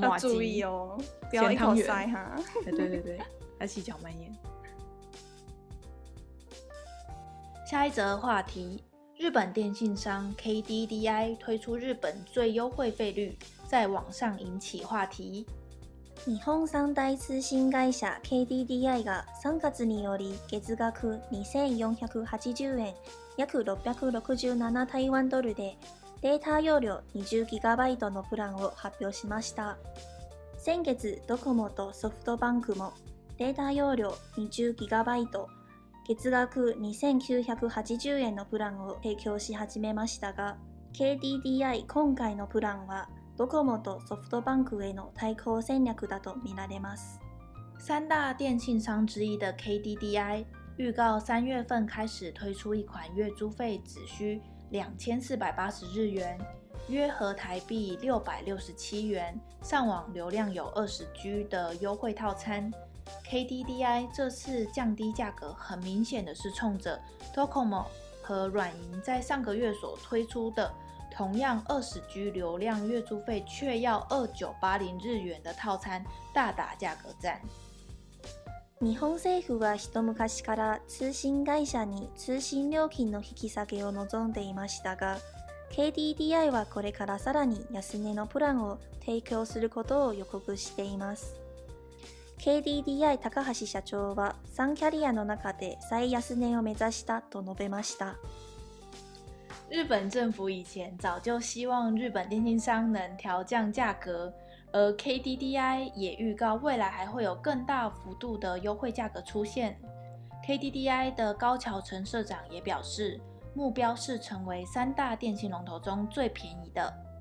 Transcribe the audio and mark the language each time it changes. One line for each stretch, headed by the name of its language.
Chinese: 要注意哦，不要一口塞哈。对对对，要细嚼慢咽。下一则话题，日本电信商 KDDI 推出日本最优惠费率，在网上引起话题。
Japanese: 日本三大通信会社 KDDI が3月により月額2480円、約667台湾ドルでデータ容量 20GB のプランを発表しました。先月、ドコモとソフトバンクもデータ容量 20GB、月額2980円のプランを提供し始めましたが、KDDI 今回のプランはドコモとソフトバンクへの対抗戦略だと見られます。
Chinese: 三大电信商之一的 KDDI 预告三月份开始推出一款月租费只需2480日元，约合台币667元，上网流量有20G 的优惠套餐。 KDDI 这次降低价格，很明显的是冲着 Docomo 和软银在上个月所推出的。同样 20G 流量月租费却要2980日元的套餐大打价格战。
Japanese: 日本政府は一昔から通信会社に通信料金の引き下げを望んでいましたが、 KDDI はこれからさらに安値のプランを提供することを予告しています。 KDDI 高橋社長は3キャリアの中で最安値を目指したと述べました。
Chinese: 日本政府以前早就希望日本电信商能调降价格，而 KDDI 也预告未来还会有更大幅度的优惠价格出现。 KDDI 的高桥成社长也表示，目标是成为三大电信龙头中最便宜的。